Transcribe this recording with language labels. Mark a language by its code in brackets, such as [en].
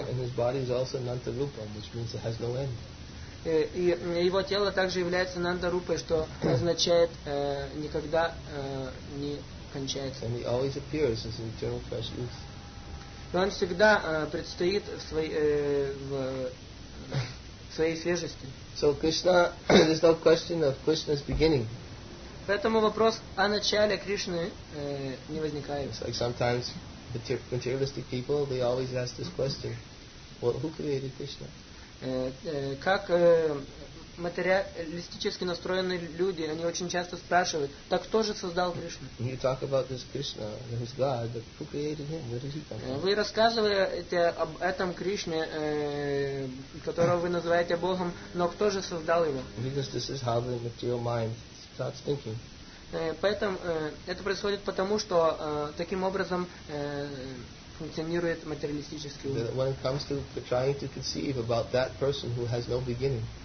[en] And his body is also nantarupam, which means it has no end. [ru] И его тело также является нантарупой, что означает никогда не кончается. [en] And he always appears as an eternal fresh youth. [ru] И он всегда предстоит в своей свежести. [en] So Krishna, there's no question of Krishna's beginning. [ru] Поэтому вопрос о начале Кришны не возникает. [en] It's like sometimes materialistic people, they always ask this question: well, who created Krishna? [ru] Как материалистически настроенные люди, они очень часто спрашивают: так кто же создал Кришну? [en] You talk about this Krishna, who's God, but who created him? Where did he come from? [ru] Вы рассказываете об этом Кришне, которого вы называете Богом, но кто же создал его? [en] Because this is how the material mind starts thinking. [ru] Поэтому это происходит потому, что таким образом функционирует материалистический ум. [en] When it comes to trying to conceive about that person who has no beginning.